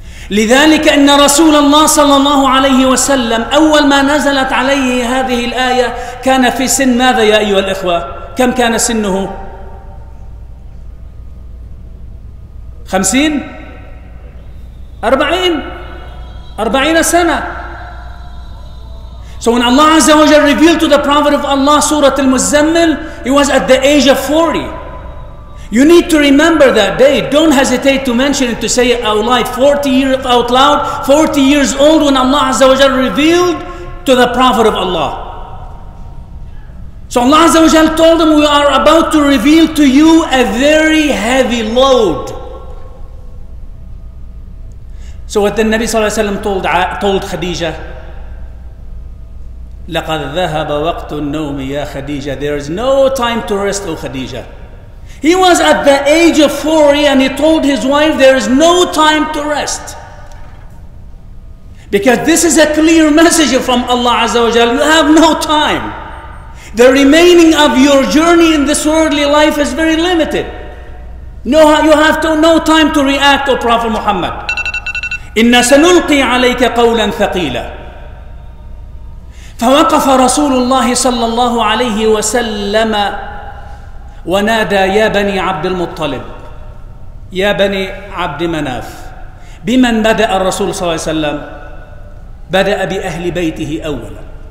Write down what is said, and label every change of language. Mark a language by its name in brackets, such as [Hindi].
[Arabic] لذلك إن رسول الله صلى الله عليه وسلم أول ما نزلت عليه هذه الآية كان في سن ماذا يا أيها الإخوة؟ كم كان سنه؟ 50؟ 40؟ 40 سنة. [English] So when Allah Azza wa Jalla revealed to the Prophet of Allah Surah Al-Muzzammil, he was at the age of 40. You need to remember that day. Don't hesitate to mention it, to say it out loud, 40 years out loud, 40 years old when Allah Azza wa Jalla revealed to the Prophet of Allah. So Allah Azza wa Jalla told him, we are about to reveal to you a very heavy load. So what the Nabi Sallallahu Alaihi Wasallam told Khadija, [Arabic] لقد ذهب وقت النوم يا خديجة. [English] There is no time to rest, O Khadija. He was at the age of 40 and he told his wife, there is no time to rest. Because this is a clear message from Allah Azza wa Jalla. You have no time. The remaining of your journey in this worldly life is very limited. No, you have to, no time to react, O Prophet Muhammad. [Arabic] إنا سنلقي عليك قولا ثقيلا. فوقف رسول الله صلى الله عليه وسلم ونادى يا بني عبد المطلب، يا بني عبد مناف. بمن بدأ الرسول صلى الله عليه وسلم؟ بدأ بأهل بيته أولا.